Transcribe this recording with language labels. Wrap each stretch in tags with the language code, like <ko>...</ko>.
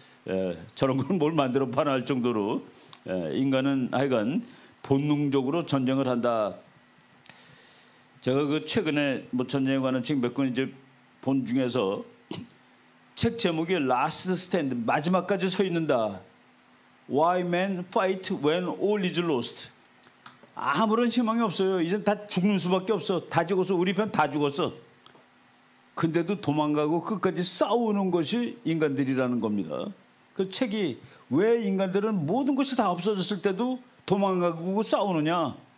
<ko>예, 저런 걸 뭘 만들어 파나 할 정도로 예, 인간은 하여간 본능적으로 전쟁을 한다. 제가 그 최근에 뭐 전쟁에 관한 책 몇 권 이제 본 중에서 책 제목이 Last Stand, 마지막까지 서 있는다.</ko> <en>Why men fight when all is lost.</en> <ko>아무런 희망이 없어요. 이제 다 죽는 수밖에 없어. 다 죽었어. 우리 편 다 죽었어. 근데도 도망가고 끝까지 싸우는 것이 인간들이라는 겁니다. 그 책이 왜 인간들은 모든 것이 다 없어졌을 때도 도망가고 싸우느냐.</ko>